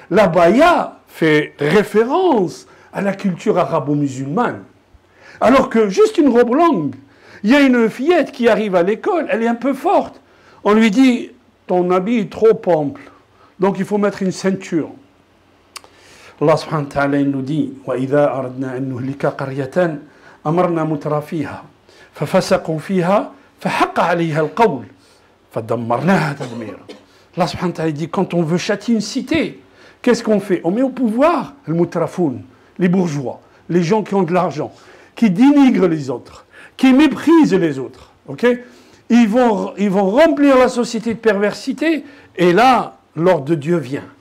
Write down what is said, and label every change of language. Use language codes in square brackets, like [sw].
[fr] L'abaya fait référence à la culture arabo-musulmane. Alors que juste une robe longue, il y a une fillette qui arrive à l'école, elle est un peu forte. On lui dit... Ton habit est trop ample. Donc il faut mettre une ceinture. [ar] Allah subhanahu wa ta'ala [fr] nous dit [ar] وَإِذَا أَرَدْنَا أَنْ نُهْلِكَ قَرْيَةً أَمَرْنَا مُتْرَفِيهَا فَفَسَقُوا فِيهَا فَحَقَّ عَلَيْهَا الْقَوْلِ فَدَمَّرْنَاهَا تَدْمِيرًا. [fr] Allah subhanahu wa ta'ala dit quand on veut châtier une cité, qu'est-ce qu'on fait? On met au pouvoir le mutrafoun, les bourgeois, les gens qui ont de l'argent, qui dénigrent les autres, qui méprisent les autres. OK ? Ils vont remplir la société de perversité. Et là, l'ordre de Dieu vient.